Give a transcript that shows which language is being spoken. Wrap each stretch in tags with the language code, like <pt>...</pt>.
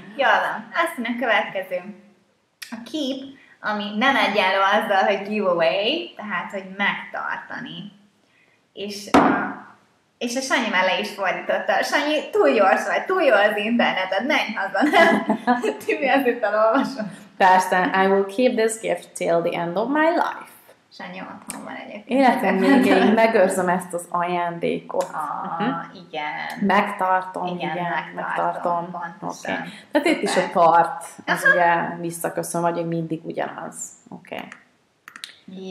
<hu>Jól van, azt mondja, következő. A keep, ami nem egyenlő azzal, hogy give away, tehát, hogy megtartani. És a Sanyi mellé is fordította. Sanyi, túl gyors vagy, túl jó az interneted, menj haza, nem? Ti mi az itt elolvasom? Persze,</hu> <en>I will keep this gift till the end of my life.</en> <hu>Sanyi, otthon van egyébként. Életem végéig megőrzöm ezt az ajándékot. Igen. Megtartom. Pontosan.</hu> <en>Okay.</en> <hu>Tehát itt is a tart, az ugye visszaköszön, vagy hogy mindig ugyanaz. Oké.</hu> <en>Okay.</en>